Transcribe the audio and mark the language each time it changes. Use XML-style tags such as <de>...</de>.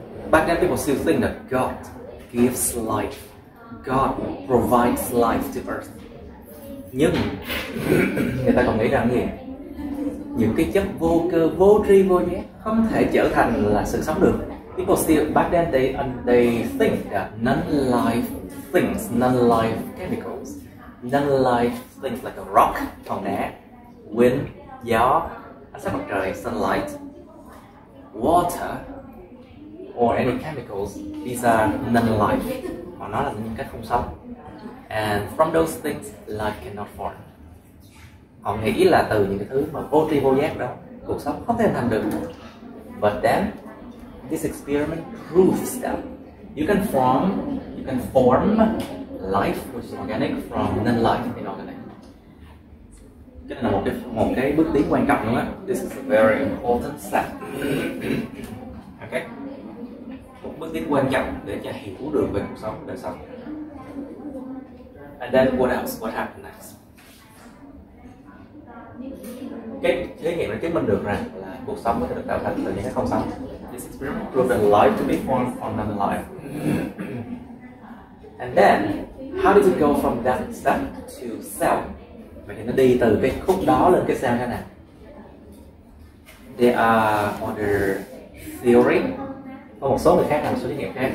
<en>Back then people still think that God gives life. God provides life to earth.</en> <vi>Nhưng người ta còn nghĩ rằng gì? Những cái chất vô cơ, vô tri, vô giác không thể trở thành là sự sống được.</vi> <en>People still back then they think that non-life things, non-life chemicals, non-life things like a rock, hòn đá, wind, gió, ánh sáng mặt trời, sunlight, water, or any chemicals, these are non-life.</en> <vi>Mà nó là những cái không sống.</vi> <en>And from those things, life cannot form.</en> <vi>Họ nghĩ là từ những cái thứ mà vô tri vô giác đó, cuộc sống không thể thành được.</vi> <en>But then, this experiment proves that you can form life, which is organic, from non-life inorganic.</en> <vi>Cái này là một cái bước tiến quan trọng luôn á.</vi> <en>This is a very important step.</en> <vi>Okay. Một bước tiến quan trọng để cho hiểu được về cuộc sống đời sống.</vi> <en>And then what else? What happened next?</en> <vi>Cái thí nghiệm nó chứng minh được rằng là cuộc sống có thể được tạo thành từ những cái không sống.</vi> <en>This experiment proved that life to be formed from non-life. And then, how did it go from that step to cell?</en> <vi>Vậy thì nó đi từ cái khúc đó lên cái cell thế nào?</vi> <en>There are other theory.</en> <vi>Có một số người khác làm số thí nghiệm khác.</vi>